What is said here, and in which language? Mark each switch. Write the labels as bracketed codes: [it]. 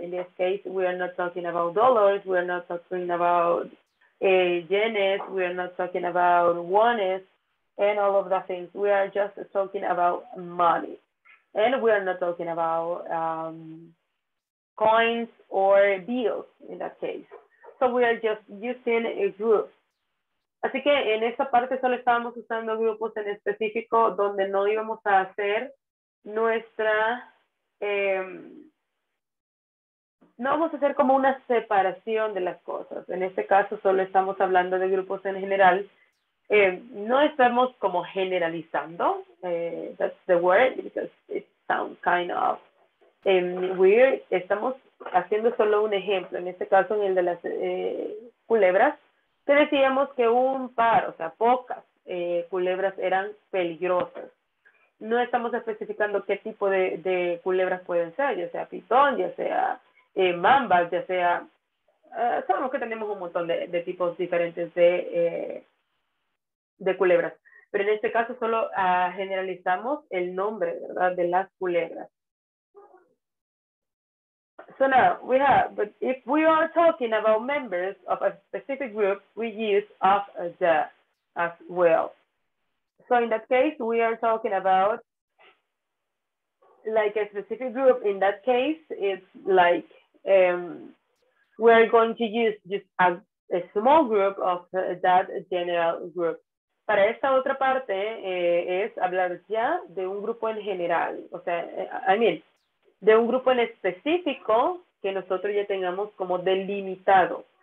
[en] In this case, we are not talking about dollars, we are not talking about yenes, we are not talking about wones, and all of the things. We are just talking about money. And we are not talking about coins or bills in that case. So we are just using a group. [es] Así que en esta parte solo estábamos usando grupos en específico donde no íbamos a hacer nuestra... no vamos a hacer como una separación de las cosas. En este caso solo estamos hablando de grupos en general. No estamos como generalizando. [en] That's the word because it sounds kind of weird. [es] Estamos haciendo solo un ejemplo. En este caso, en el de las culebras, que decíamos que un par, o sea, pocas culebras eran peligrosas. No estamos especificando qué tipo de culebras pueden ser, ya sea pitón, ya sea mambas, ya sea... sabemos que tenemos un montón de tipos diferentes de culebras. Pero en este caso solo generalizamos el nombre, ¿verdad?, de las culebras. [en] So now we have, but if we are talking about members of a specific group, we use of the as well. So in that case, we are talking about like a specific group. In that case, it's like we're going to use just a small group of that general group. [es] Para esta otra parte es hablar ya de un grupo en general. O sea, [en] I mean, [es] de un grupo en específico que nosotros ya tengamos como delimitado.